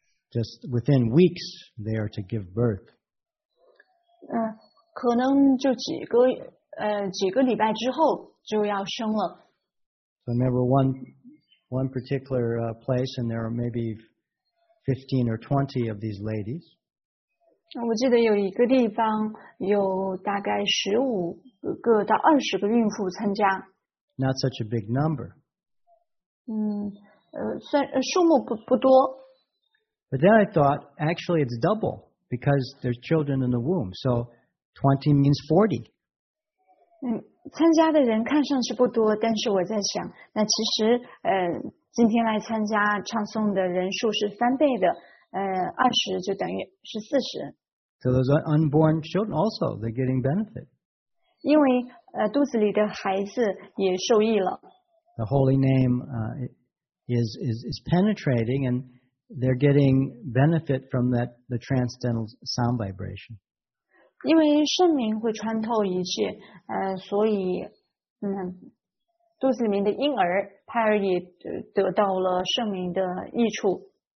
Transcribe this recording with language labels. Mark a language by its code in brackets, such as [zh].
[en] Just within weeks, they are to give birth. [zh] 可能就几个礼拜之后就要生了。 [en] So I remember one particular place, and there are maybe 15 or 20 of these ladies. [zh] 我记得有一个地方有大概15个到20个孕妇参加。 [en] Not such a big number. [zh] 数目不多。 [en] But then I thought, actually it's double, because there's children in the womb, so 20 means 40. [zh] 参加的人看上去不多，但是我在想，那其实今天来参加唱诵的人数是三倍的，20就等于是40。 [en] So those unborn children also, they're getting benefit. [zh] 因为肚子里的孩子也受益了。 [en] The holy name is penetrating, and they're getting benefit from that the transcendental sound vibration. [zh] 因为圣名会穿透一切，所以肚子里面的婴儿胎儿也得到了圣名的益处。